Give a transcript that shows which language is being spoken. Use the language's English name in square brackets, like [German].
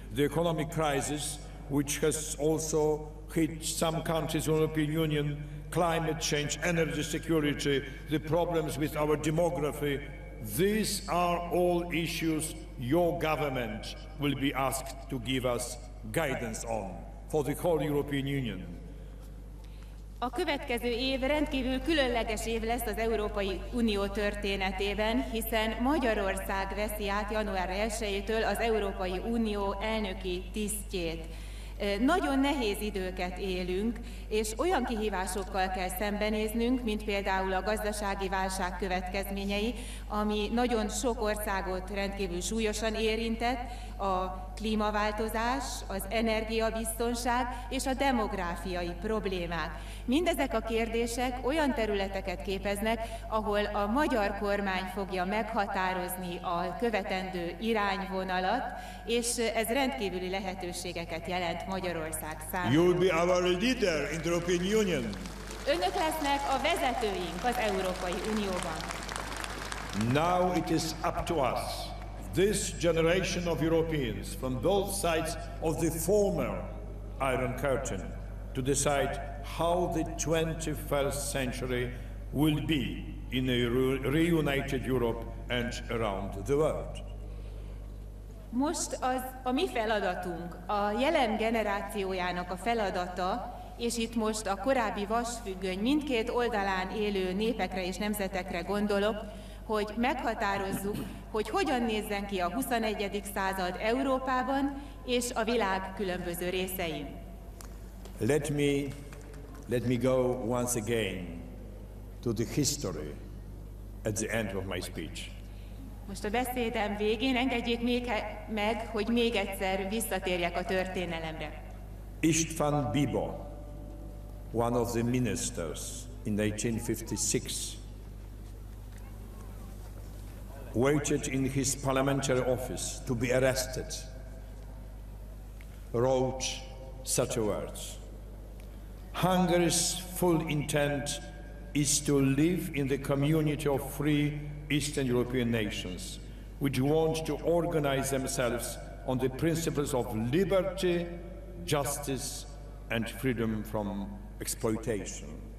[English] The economic crisis, which has also hit some countries in the European Union, climate change, energy security, the problems with our demography, these are all issues your government will be asked to give us guidance on for the whole European Union. [Hungarian] A következő év rendkívül különleges év lesz az Európai Unió történetében, hiszen Magyarország veszi át január 1-től az Európai Unió elnöki tisztjét. Nagyon nehéz időket élünk, és olyan kihívásokkal kell szembenéznünk, mint például a gazdasági válság következményei, ami nagyon sok országot rendkívül súlyosan érintett, a klímaváltozás, az energiabiztonság és a demográfiai problémák. Mindezek a kérdések olyan területeket képeznek, ahol a magyar kormány fogja meghatározni a követendő irányvonalat, és ez rendkívüli lehetőségeket jelent Magyarország számára. [English] You'll be our leader in the European Union. [Hungarian] Önök lesznek a vezetőink az Európai Unióban. [English] Now it is up to us. This generation of Europeans from both sides of the former Iron Curtain to decide how the 21st century will be in a reunited Europe and around the world. [Hungarian] Most az a mi feladatunk, a jelen generációjának a feladata, és itt most a korábbi vasfüggöny mindkét oldalán élő népekre és nemzetekre gondolok, hogy meghatározzuk, hogy hogyan nézzen ki a 21. század Európában és a világ különböző részein. [English] Let me go once again to the history at the end of my speech. [Hungarian] Most a beszédem végén engedjék még meg, hogy még egyszer visszatérjek a történelemre. [English] István Bibó, one of the ministers in 1856, waited in his parliamentary office to be arrested, wrote such words: Hungary's full intent is to live in the community of free Eastern European nations, which want to organize themselves on the principles of liberty, justice, and freedom from exploitation.